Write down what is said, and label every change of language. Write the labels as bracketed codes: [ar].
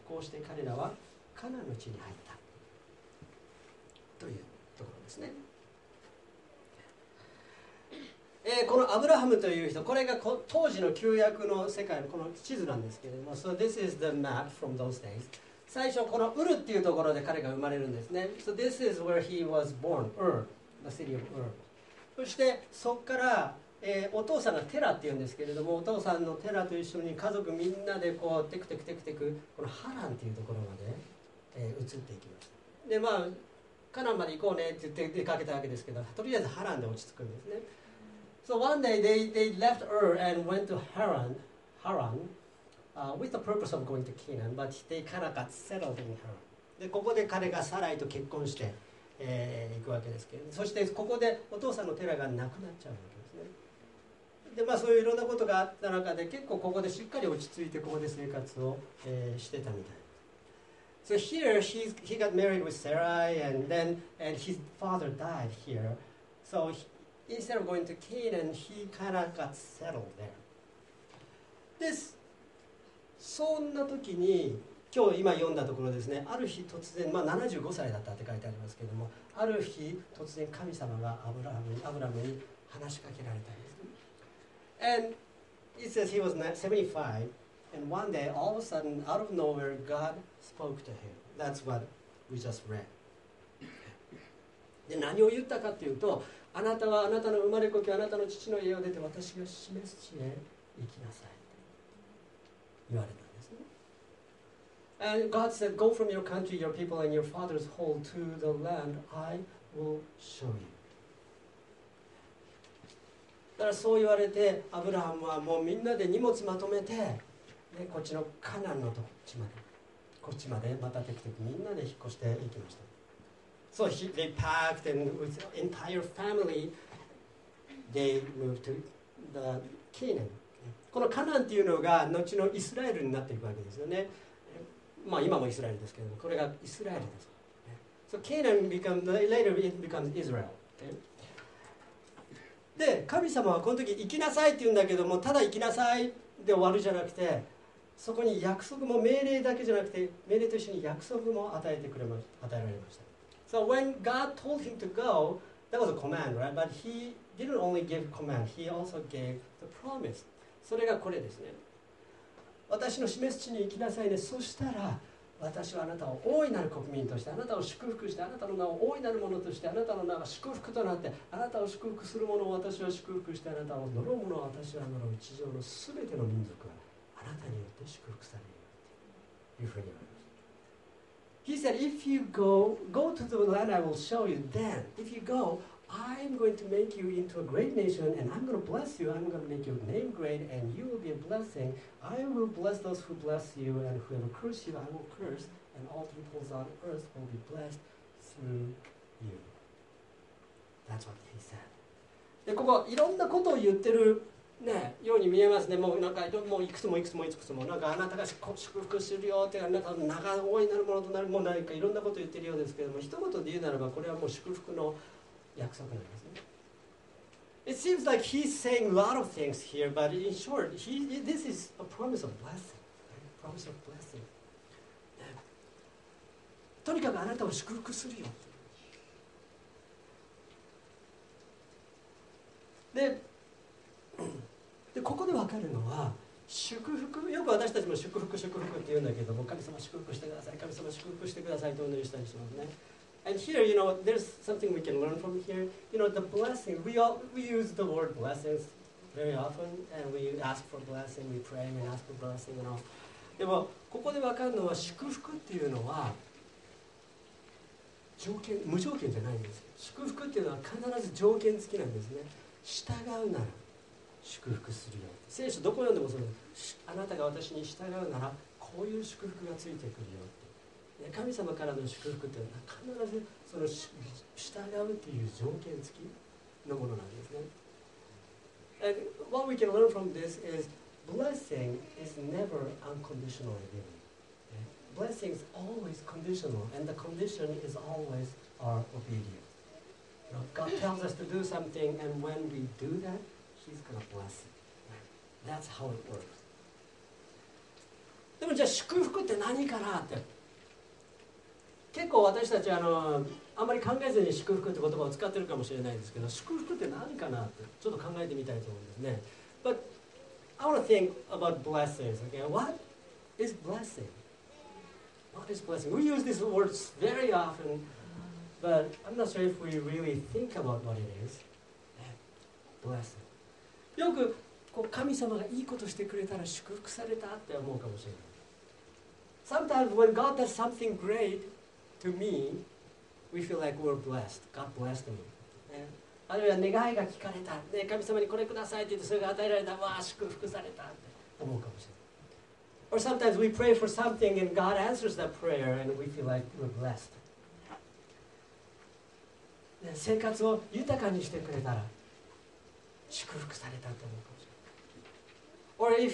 [ja] こうして彼らはカナンの地に入ったというところですね。このアブラハムという人、これが当時の旧約の世界のこの地図なんですけれども、 [en] So this is the map from those days. [ja] 最初このウルっていうところで彼が生まれるんですね。 [en] So this is where he was born, Ur, the city of Ur. [ja] そしてそこから、お父さんがテラっていうんですけれども、お父さんのテラと一緒に家族みんなでこうテクテクテクテクこのハランっていうところまで、移っていきます。でまあカナンまで行こうねって言って出かけたわけですけど、とりあえずハランで落ち着くんですね。 [en] So one day they left Ur and went to Haran, with the purpose of going to Canaan, but they kind of got settled in Haran. [ja] でここで彼がサライと結婚して、行くわけですけど、そしてここでお父さんの寺がなくなっちゃうわけですね。でまあそういういろんなことがあった中で、結構ここでしっかり落ち着いてここで生活を、してたみたい。 [en] So here he got married with Sarai and then and his father died here. So instead of going to Canaan, he kind of got settled there. [ja] This そんな時に今日今読んだところですね。ある日突然、まあ75歳だったって書いてありますけれども、ある日突然神様がアブラムに話しかけられたんです。 [en] And it says he was 75, and one day all of a sudden out of nowhere God spoke to him. That's what we just read. [ja] で何を言ったかというと、あなたはあなたの生まれ故郷、あなたの父の家を出て私が示す地へ行きなさいと言われた。 [en] And God said, go from your country, your people, and your father's home to the land I will show you. [ja] だからそう言われて、アブラハムはもうみんなで荷物まとめて、ね、こっちのカナンのとこっちまで、こっちまでまたテキテキみんなで引っ越していきました。 [en] So they packed and with the entire family, they moved to the Canaan. [ja] このカナンっていうのが後のイスラエルになっていくわけですよね。まあ、今もイスラエルですけども、これがイスラエルです。 [en] So Canaan becomes, later it becomes Israel. [ja] で、神様はこの時行きなさいって言うんだけども、ただ行きなさいで終わるじゃなくて、そこに約束も命令だけじゃなくて、命令と一緒に約束も与えてくれました、与えられました。 [en] So when God told him to go, that was a command, right? But he didn't only give command, he also gave the promise. [ja] それがこれですね。私の示す地に行きなさいね。そしたら私はあなたを大いなる国民として、あなたを祝福して、あなたの名を大いなるものとして、あなたの名が祝福となって、あなたを祝福するものを私は祝福して、あなたを呪うものを私は呪う、地上のすべての民族はあなたによって祝福されるというふうに言われました。 [en] He said, if you go to the land I will show you, then if you go, I'm going to make you into a great nation and I'm going to bless you. I'm going to make your name great and you will be a blessing. I will bless those who bless you and whoever curses you, I will curse and all peoples on earth will be blessed through you. That's what he said. [ja] で、ここいろんなことを言ってる、ね、ように見えますね。もうなんかもういくつもいくつもいくつもなんかあなたが祝福するよってなんか長大いなるものとなる、もう何かいろんなことを言ってるようですけども、一言で言うならばこれはもう祝福の約束なんですね。 [en] It seems like he's saying a lot of things here, but in short, this is a promise of blessing. Promise of blessing. [ja] とにかくあなたを祝福するよ。で、ここで分かるのは、祝福、よく私たちも祝福、祝福って言うんだけども、神様祝福してください、神様祝福してくださいとお祈りしたりしますね。 [en] And here, you know, there's something we can learn from here. You know, the blessing, we use the word blessings very often, and we ask for blessing, we pray and ask for blessing, you know. [ja] でも、ここで分かるのは、祝福っていうのは、条件、無条件じゃないんです。祝福っていうのは必ず条件付きなんですね。従うなら、祝福するよ。聖書どこ読んでもそうです。あなたが私に従うなら、こういう祝福がついてくるよ。神様からの祝福というのは必ずその従うという条件付きのものなんですね。 [en] And what we can learn from this is blessing is never unconditionally given. Blessing is always conditional and the condition is always our obedience. God tells us to do something and when we do that, He's going to bless it. That's how it works. [ja] でもじゃあ祝福って何かなって結構私たちあまり考えずに祝福って言葉を使ってるかもしれないですけど、祝福って何かなってちょっと考えてみたいと思うんですね。 [en] But I want to think about blessings. Okay, what is blessing? What is blessing? We use these words very often, but I'm not sure if we really think about what it is. Blessing. [ja] よくこう神様がいいことしてくれたら祝福されたって思うかもしれない。 [en] Sometimes when God does something great, To me, we feel like we're blessed. God blessed me. [ja] あるいは願いが聞かれた、ね、神様にこれくださいって言ってそれが与えられた、わあ祝福されたって思うかもしれない。 [en] Or sometimes we pray for something and God answers that prayer and we feel like we're blessed、 [ja] ね、生活を豊かにしてくれたら祝福されたと思うかもしれない。